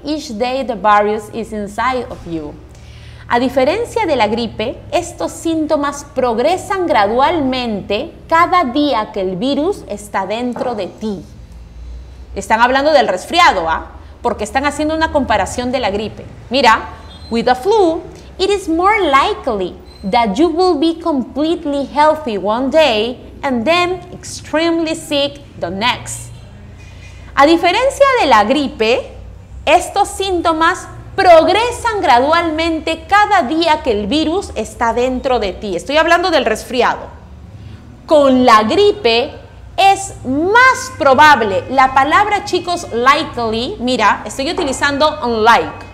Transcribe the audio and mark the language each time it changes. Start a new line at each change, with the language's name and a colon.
English: Each day the virus is inside of you.
Spanish: A diferencia de la gripe, estos síntomas progresan gradualmente cada día que el virus está dentro de ti. Están hablando del resfriado, ¿ah? Porque están haciendo una comparación de la gripe.
English: Mira, with the flu, it is more likely that you will be completely healthy one day and then extremely sick the next.
Spanish: A diferencia de la gripe, estos síntomas progresan gradualmente cada día que el virus está dentro de ti. Estoy hablando del resfriado. Con la gripe es más probable. La palabra, chicos, likely, mira, estoy utilizando unlike.